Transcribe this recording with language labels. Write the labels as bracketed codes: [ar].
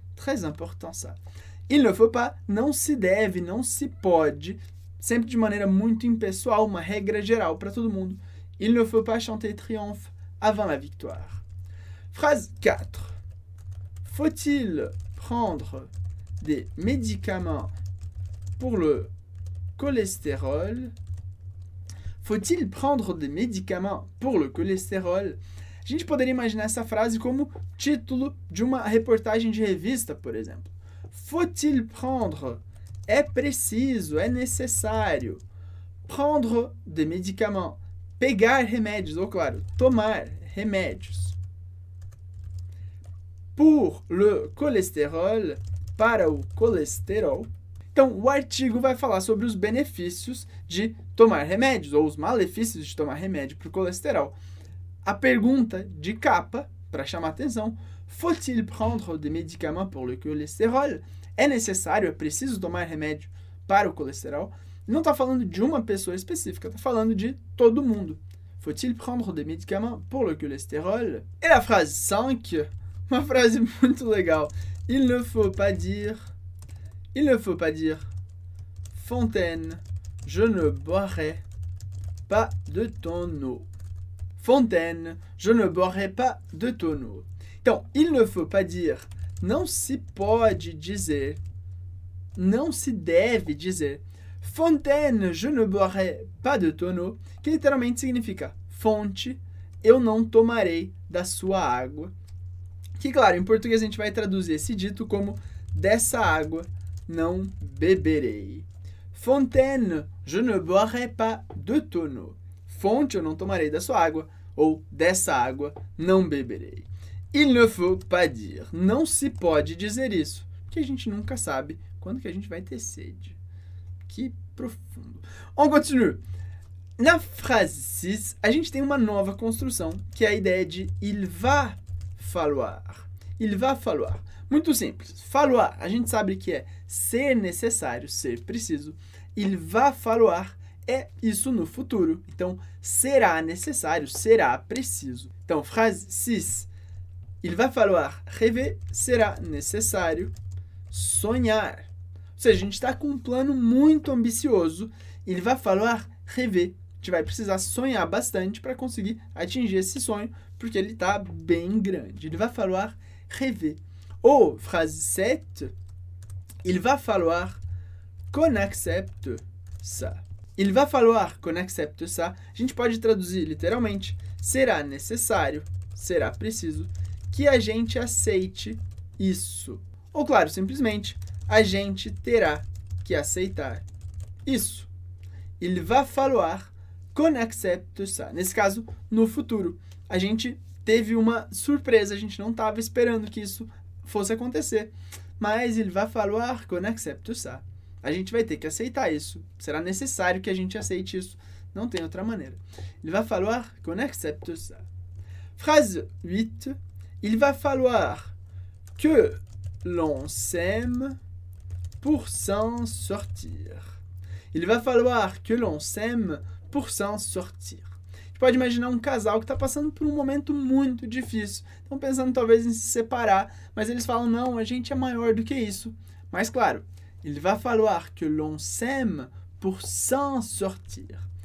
[fr] Très important ça. Il ne faut pas, [pt] não se deve, não se pode. Sempre de maneira muito impessoal, uma regra geral para todo mundo. [fr] Il ne faut pas chanter triomphe avant la victoire. [pt] Phrase 4. [fr] Faut-il prendre des médicaments pour le cholestérol? Faut-il prendre des médicaments pour le cholestérol? [pt] A gente poderia imaginar essa frase como título de uma reportagem de revista, por exemplo. [fr] Faut-il prendre? [pt] É preciso, é necessário. [fr] Prendre des médicaments. [pt] Pegar remédios, ou claro, tomar remédios. [fr] Pour le cholestérol, [pt] para o colesterol. Então, o artigo vai falar sobre os benefícios de tomar remédios, ou os malefícios de tomar remédio para o colesterol. A pergunta de capa, para chamar atenção, [fr] faut-il prendre des médicaments pour le cholestérol? [pt] É necessário, é preciso tomar remédio para o colesterol? Não está falando de uma pessoa específica, está falando de todo mundo. [fr] Faut-il prendre des médicaments pour le cholestérol? [pt] E a frase 5, uma frase muito legal. [fr] Il ne faut pas dire, Fontaine, je ne boirai pas de ton eau. Fontaine, je ne boirai pas de ton eau. [pt] Então, [fr] il ne faut pas dire, [pt] não se pode dizer, não se deve dizer, [fr] Fontaine, je ne boirai pas de ton eau, [pt] que literalmente significa fonte, eu não tomarei da sua água. Que, claro, em português a gente vai traduzir esse dito como dessa água não beberei. [fr] Fontaine, je ne boirai pas de ton eau. [pt] Fonte, eu não tomarei da sua água, ou dessa água não beberei. [fr] Il ne faut pas dire. [pt] Não se pode dizer isso. Porque a gente nunca sabe quando que a gente vai ter sede. Que profundo. [fr] On continue. [pt] Na frase 6, a gente tem uma nova construção, que é a ideia de [fr] il va falloir. Il va falloir. [pt] Muito simples. Falloir, a gente sabe que é ser necessário, ser preciso. [fr] Il va falloir [pt] é isso no futuro. Então, será necessário, será preciso. Então, frase 6. [fr] Il va falloir rêver, [pt] será necessário sonhar. Ou seja, a gente está com um plano muito ambicioso. [fr] Il va falloir rêver. [pt] A gente vai precisar sonhar bastante para conseguir atingir esse sonho, porque ele está bem grande. [fr] Il va falloir rêver. [pt] Ou, frase 7, [fr] il va falloir qu'on accepte ça. Il va falloir qu'on accepte ça. [pt] A gente pode traduzir literalmente, será necessário, será preciso, que a gente aceite isso. Ou, claro, simplesmente, a gente terá que aceitar isso. [fr] Il va falloir qu'on accepte ça. [pt] Nesse caso, no futuro. A gente teve uma surpresa, a gente não estava esperando que isso fosse acontecer. [fr] Mas il va falloir qu'on accepte ça. [pt] A gente vai ter que aceitar isso. Será necessário que a gente aceite isso. Não tem outra maneira. [fr] Il va falloir qu'on accepte ça. [pt] Frase 8. [fr] Il va falloir que l'on s'aime pour s'en sortir. Il va falloir que l'on s'aime pour s'en sortir. [pt] Você pode imaginar um casal que está passando por um momento muito difícil. Estão pensando talvez em se separar, mas eles falam, não, a gente é maior do que isso. Mas claro, [fr] il va falloir que l'on s'aime pour s'en sortir.